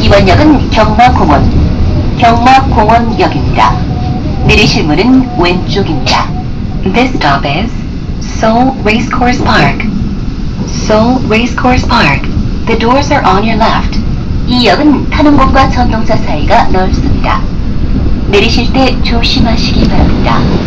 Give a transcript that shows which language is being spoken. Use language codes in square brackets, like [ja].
[ko] 역은 경마공원, 경마공원역입니다. 내리실 문은 왼쪽입니다. [en] This stop is Seoul Racecourse Park. Seoul Racecourse Park. The doors are on your left. [ko] 이 역은 타는 곳과 전동차 사이가 넓습니다. 내리실 때 조심하시기 바랍니다.